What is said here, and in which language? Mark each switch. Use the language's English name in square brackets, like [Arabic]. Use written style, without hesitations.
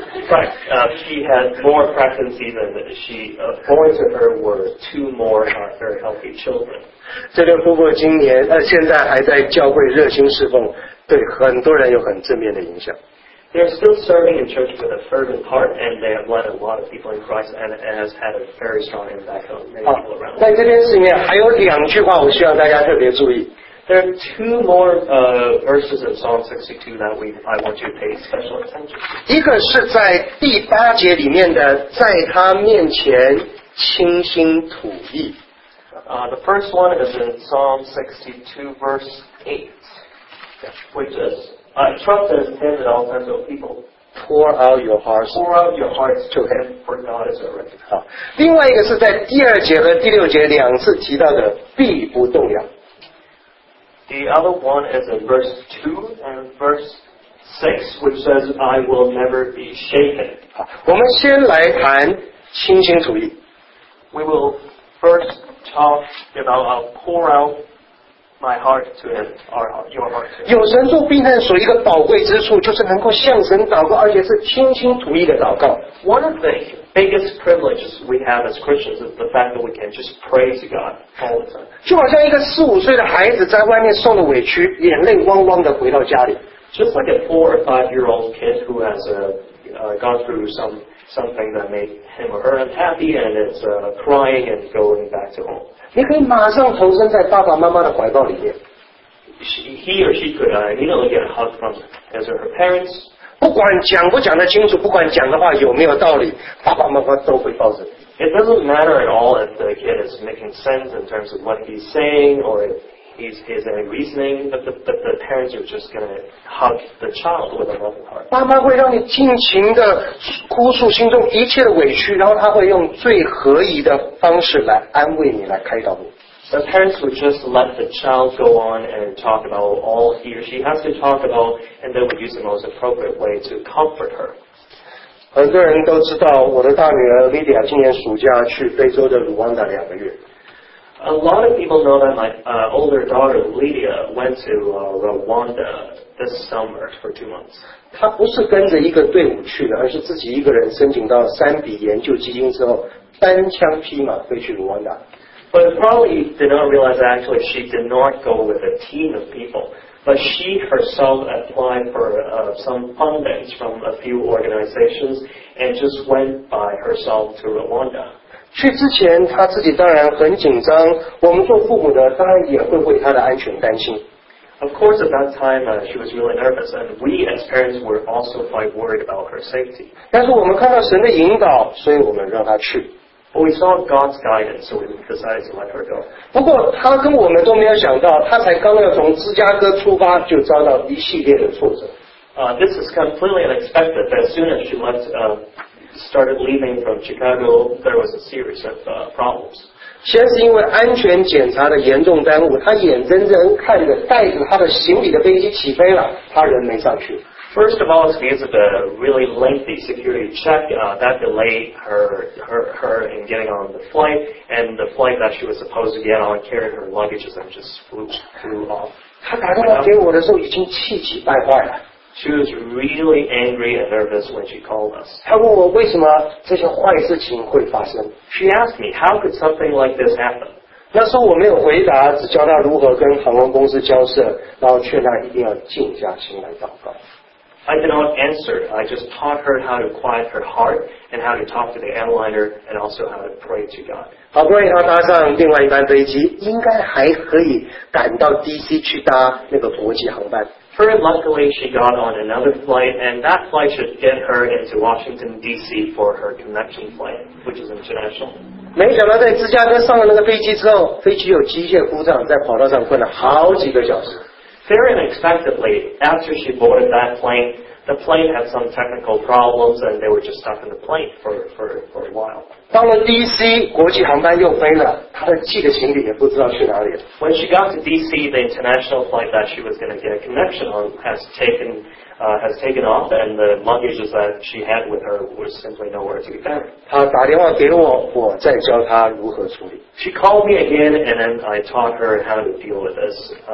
[English] Right, she had more pregnancy than she, born to her were two more very healthy children. [Chinese] 这对夫妇今年现在还在教会热心侍奉，对很多人有很正面的影响。 [English] They're still serving in church with a fervent heart, and they have led a lot of people in Christ, and it has had a very strong impact on many people around. [Chinese] 在这件事里面还有两句话，我需要大家特别注意。 [English] There are two more verses of Psalm 62 that I want you to pay special attention to. [Chinese] 一个是在第八节里面的，在他面前倾心吐意。 [English] The first one is in Psalm 62, verse 8, which is, trust and stand at all times, O people. Pour out your hearts to him, for God is our refuge. [Chinese] 好，另外一个是在第二节和第六节两次提到的，必不动摇。 [English] The other one is in verse 2 and verse 6, which says, I will never be shaken. [Chinese] 好，我们先来谈倾心吐意。 [English] We will first talk about, I'll pour out my heart to him, your heart to him. [Chinese] 有神住避难所一个宝贵之处，就是能够向神祷告，而且是倾心吐意的祷告。 [English] One of the biggest privileges we have as Christians is the fact that we can just pray to God all the time. [Chinese] 就好像一个四五岁的孩子在外面受了委屈，眼泪汪汪的回到家里。 [English] Just like a 4 or 5 year old kid who has gone through something that made him or her unhappy and is crying and going back to home. [Chinese] 你可以马上投身在爸爸妈妈的怀抱里面。 [English] He or she could immediately get a hug from his or her parents. [Chinese] 不管讲不讲得清楚，不管讲的话有没有道理，爸爸妈妈都会抱着你。 [English] It doesn't matter at all if the kid is making sense in terms of what he's saying or if he's any reasoning, but the parents are just going to hug the child with a loving heart. [Chinese] 爸妈会让你尽情的哭诉心中一切的委屈，然后他会用最合宜的方式来安慰你，来开导你。 [English] The parents would just let the child go on and talk about all he or she has to talk about, and they would use the most appropriate way to comfort her. [Chinese] 很多人都知道我的大女儿 Lydia 今年暑假去非洲的卢旺达两个月。 [English] A lot of people know that my older daughter Lydia went to Rwanda this summer for 2 months. [Chinese] 她不是跟着一个队伍去的，而是自己一个人申请到三笔研究基金之后，单枪匹马飞去卢旺达。 [English] But probably did not realize actually she did not go with a team of people. But she herself applied for some funding from a few organizations and just went by herself to Rwanda. [Chinese] 去之前她自己当然很紧张，我们做父母的当然也会为她的安全担心。 [English] Of course, at that time, she was really nervous, and we as parents were also quite worried about her safety. [Chinese] 但是我们看到神的引导，所以我们让她去。 [English] But we saw God's guidance, so we decided to let her go. [Chinese] 不过他跟我们都没有想到，他才刚要从芝加哥出发，就遭到一系列的挫折。 [English] This is completely unexpected. As soon as she left, started leaving from Chicago, there was a series of problems. [Chinese] 先是因为安全检查的严重耽误，他眼睁睁看着带着他的行李的飞机起飞了，他人没上去。 [English] First of all, it's because of a really lengthy security check that delayed her in getting on the flight, and the flight that she was supposed to get on carried her luggage and just flew off. [Chinese] 她打电话给我的时候已经气急败坏了。 [English] She was really angry and nervous when she called us. [Chinese] 她问我为什么这些坏事情会发生。 [English] She asked me, how could something like this happen? [Chinese] 那时候我没有回答，只教她如何跟航空公司交涉，然后劝她一定要静下心来祷告。 [English] I did not answer. I just taught her how to quiet her heart and how to talk to the airliner and also how to pray to God. [Chinese] 好不容易她搭上另外一班飞机，应该还可以赶到 DC 去搭那个国际航班。 [English] Very luckily, she got on another flight, and that flight should get her into Washington, D.C. for her connection flight, which is international. [Chinese] 没想到在芝加哥上了那个飞机之后，飞机有机械故障，在跑道上困了好几个小时。 [English] Sarah unexpectedly, after she boarded that plane, the plane had some technical problems and they were just stuck in the plane for a while. [Chinese] 到了 DC, 国际航班又飞了，她的寄的行李也不知道去哪里了。 [English] When she got to DC, the international flight that she was going to get a connection on has taken off and the luggage that she had with her was simply nowhere to be found. [Chinese] 她打电话给我，我再教她如何处理。 [English] She called me again and then I taught her how to deal with this.